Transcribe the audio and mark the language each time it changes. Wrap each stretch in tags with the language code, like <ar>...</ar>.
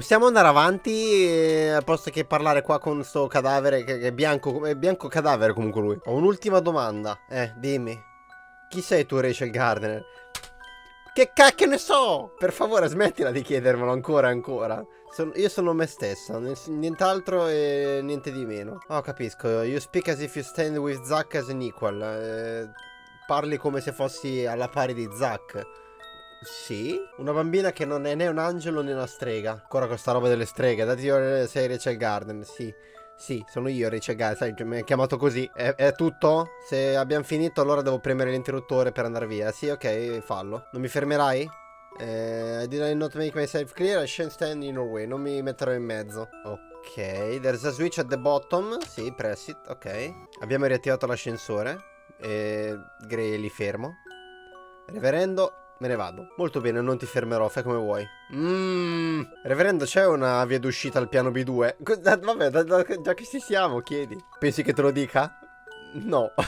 <it>Possiamo andare avanti? Posto che parlare qua con sto cadavere che è bianco cadavere comunque lui. Ho un'ultima domanda. Dimmi. Chi sei tu, Rachel Gardner? Che cacchio ne so! Per favore, smettila di chiedermelo ancora e ancora. Io sono me stessa, nient'altro e niente di meno. Oh, capisco.</it> <en>You speak as if you stand with Zack as an equal.</en> <it>Parli come se fossi alla pari di Zack. Sì? Una bambina che non è né un angelo né una strega. Ancora con sta roba delle streghe. Dati io sei Rachel Garden, sì. Sì, sono io, Rachel Garden. Sai, mi hai chiamato così. È tutto? Se abbiamo finito, allora devo premere l'interruttore per andare via. Sì, ok, fallo. Non mi fermerai?</it> <en>I did not make myself clear. I shan't stand in your way.</en> <it>Non mi metterò in mezzo.</it> <en>Ok, there's a switch at the bottom.</en> <it>Sì,</it> <en>press it.</en> <it>Ok, abbiamo riattivato l'ascensore. Gray, lì fermo. Reverendo, me ne vado. Molto bene, non ti fermerò. Fai come vuoi. Reverendo, c'è una via d'uscita al piano B2? Vabbè, già che ci siamo, chiedi. Pensi che te lo dica? No.</it>